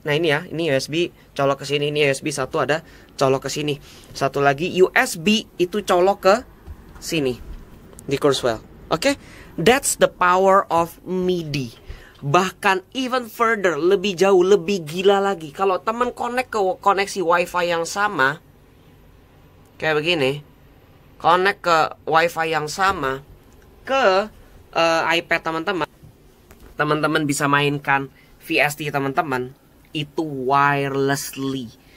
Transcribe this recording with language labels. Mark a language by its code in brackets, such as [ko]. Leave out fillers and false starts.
[id] Nah ini ya, ini USB colok ke sini, ini USB satu ada colok ke sini, satu lagi USB itu colok ke sini di Kurzweil. [en] Oke, that's the power of MIDI. [id] Bahkan [en] even further, [id] lebih jauh, lebih gila lagi. Kalau teman connect ke koneksi WiFi yang sama, kayak begini, connect ke WiFi yang sama ke iPad teman-teman, teman-teman bisa mainkan VST teman-teman itu wirelessly.